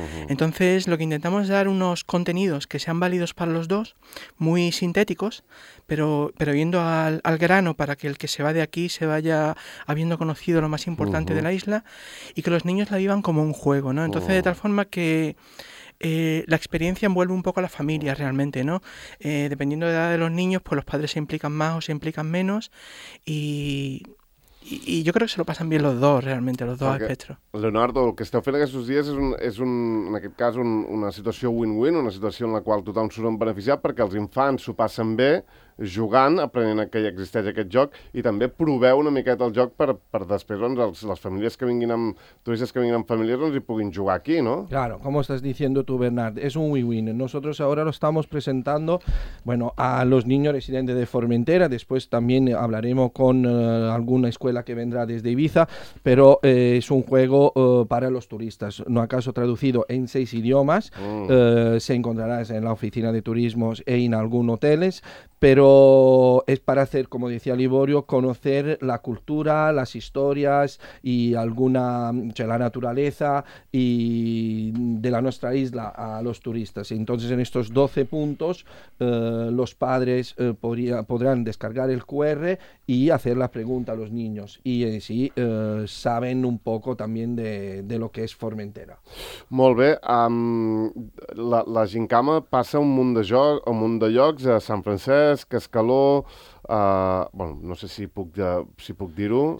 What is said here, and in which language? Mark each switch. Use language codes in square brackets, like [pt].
[es] Entonces, lo que intentamos es dar unos contenidos que sean válidos para los dos, muy sintéticos, pero yendo al grano para que el que se va de aquí se vaya habiendo conocido lo más importante de la isla y que los niños la vivan como un juego, ¿no? Entonces, de tal forma que... la experiencia envuelve un poco a la familia realmente, ¿no? Dependiendo de la edad de los niños, pues los padres se implican más o se implican menos y yo creo que se lo pasan bien los dos realmente, los dos espectros. [ca] Leonardo, el que esteu fent aquests dies és un, en aquest cas una situació win-win, una situació en la qual tothom surt en beneficiat perquè els infants s'ho passen bé jugant, aprenent que existeix aquest joc i també proveu una miqueta el joc per després doncs, les famílies que vinguin amb turistes que vinguin amb famílies doncs, hi puguin jugar aquí, no? [es] Claro, como estás diciendo tú, Bernard, es un win-win. Nosotros ahora lo estamos presentando, bueno, a los niños residentes de Formentera, después también hablaremos con alguna escuela que vendrá desde Ibiza, pero es un juego para los turistas, no acaso traducido en 6 idiomas, se encontrará en la oficina de turismos e en algún hoteles, pero es para hacer, como decía Liborio, conocer la cultura, las historias y alguna, o sea, la naturaleza y de la nuestra isla a los turistas. Entonces, en estos 12 puntos, los padres podrán descargar el QR y hacer la pregunta a los niños. Y en sí, saben un poco también de lo que es Formentera. [ca] Molt bé. La Gincama passa un munt de llocs a Sant Francesc, Cascaló, bueno, no sé si puc dir-ho.